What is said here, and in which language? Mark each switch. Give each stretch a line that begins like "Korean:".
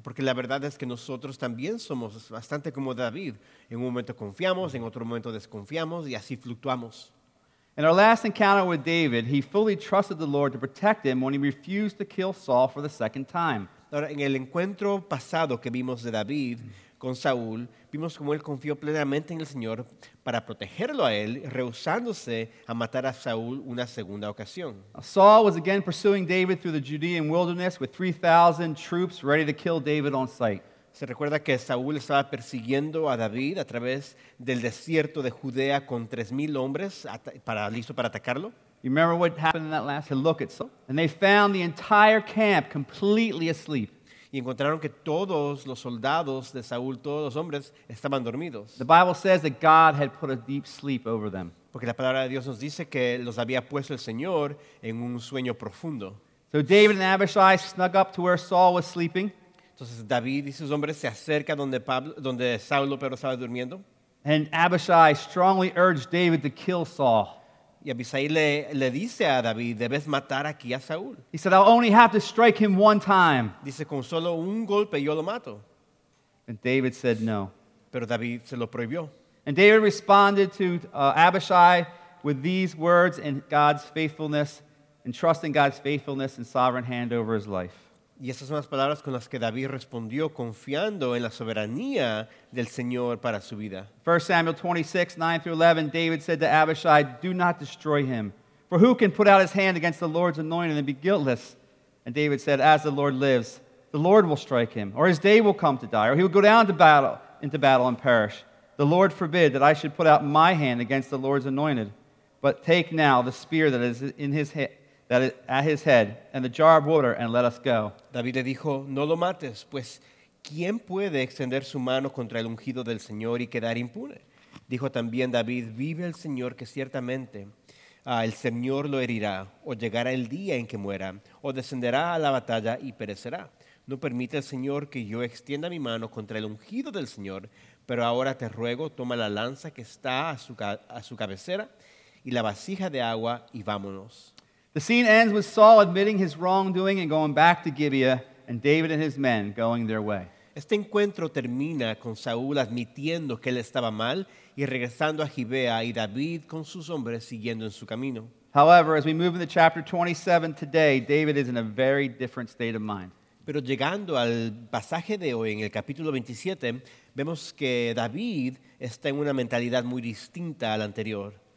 Spanish: Porque la verdad es que nosotros también somos bastante como David. En un momento confiamos, en otro momento desconfiamos, y así fluctuamos.
English: In our last encounter with David, he fully trusted the Lord to protect him when he refused to kill Saul for the second time.
Spanish: Ahora, en el encuentro pasado que vimos de David con Saúl, vimos cómo él confió plenamente en el Señor para protegerlo a él, rehusándose a matar a Saúl una segunda ocasión.
English: Saul was again pursuing David through the Judean wilderness with 3,000 troops ready to kill David on sight.
Spanish: Se recuerda que Saúl estaba persiguiendo a David a través del desierto de Judea con 3,000 hombres listo para atacarlo.
English: You remember what happened in that last look at Saul? And they found the entire camp completely asleep.
Spanish: Y encontraron que todos los soldados de Saúl, todos los hombres, estaban dormidos.
English: The Bible says that God had put a deep sleep over them.
Spanish: Porque la palabra de Dios nos dice que los había puesto el Señor en un sueño profundo.
English: So David and Abishai snuck up to where Saul was sleeping.
Spanish: Entonces David y sus hombres se acercan donde Saulo pero estaba durmiendo.
English: And Abishai strongly urged David to kill Saul.
Spanish: Y Abisai le dice a David, debes matar aquí a Saúl.
English: He said, I'll only have to strike him one time.
Spanish: Dice, con solo un golpe yo lo mato.
English: And David said no.
Spanish: Pero David se lo prohibió.
English: And David responded to Abishai with these words and God's faithfulness and trusting God's faithfulness and sovereign hand over his life.
Spanish: Y esas son las palabras con las que David respondió confiando en la soberanía del Señor para su vida.
English: 1 Samuel 26:9 through 11, David said to Abishai, "Do not destroy him, for who can put out his hand against the Lord's anointed and be guiltless?" And David said, "As the Lord lives, the Lord will strike him, or his day will come to die, or he will go down into battle and perish. The Lord forbid that I should put out my hand against the Lord's anointed, but take now the spear that is in his hand." That is at his head, and the jar of water, and let us go.
Spanish: David le dijo, no lo mates, pues, ¿quién puede extender su mano contra el ungido del Señor y quedar impune? Dijo también David, vive el Señor, que ciertamente el Señor lo herirá, o llegará el día en que muera, o descenderá a la batalla y perecerá. No permite el Señor que yo extienda mi mano contra el ungido del Señor, pero ahora te ruego, toma la lanza que está a su cabecera, y la vasija de agua, y vámonos.
English: The scene ends with Saul admitting his wrongdoing and going back to Gibeah, and David and his men going their way.
Spanish: Este encuentro termina con Saúl admitiendo que él estaba mal y regresando a Gibea y David con sus hombres siguiendo en su camino.
English: However, as we move into chapter 27 today, David is in a very different state of mind.
Spanish: Pero llegando al pasaje de hoy en el capítulo 27, vemos que David está en una mentalidad muy distinta a la anterior.